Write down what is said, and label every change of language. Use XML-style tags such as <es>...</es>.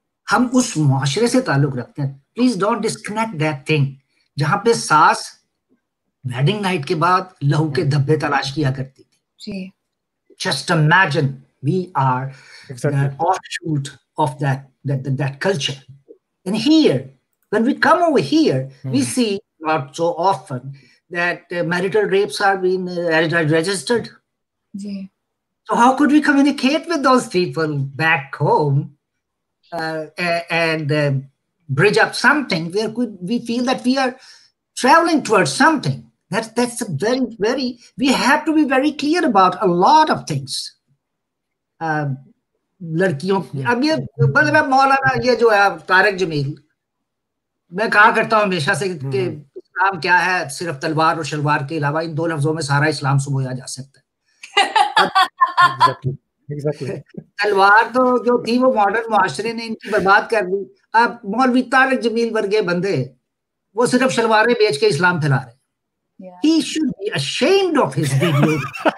<hi>हम उस मुआशरे से ताल्लुक रखते हैं,</hi> <en>please don't disconnect that thing,</en> <hi>जहां पे सास वेडिंग नाइट के बाद लहू के धब्बे तलाश किया करती थी. Just imagine</hi> <en>we are exactly. the offshoot of that culture. And here, when we come over here, we see not so often that marital rapes are being registered. So how could we communicate with those people back home and bridge up something where could we feel that we are traveling towards something? That's a very, very, we have to be very clear about a lot of things.</en> <hi>लड़कियों अब ये मतलब मौलाना ये जो है तारिक जमील, मैं कहा करता हूँ हमेशा से कि इस्लाम क्या है, सिर्फ तलवार और शलवार के अलावा इन दो लफ्जों में सारा इस्लाम सुबोया जा सकता है. तलवार तो जो थी वो मॉडर्न मुआशरे ने इनकी बर्बाद कर दी. अब मौलवी तारिक जमील वर्गे बंदे वो सिर्फ शलवारें बेच के इस्लाम फैला रहे.</hi> <en>He should be ashamed of his behavior.</en>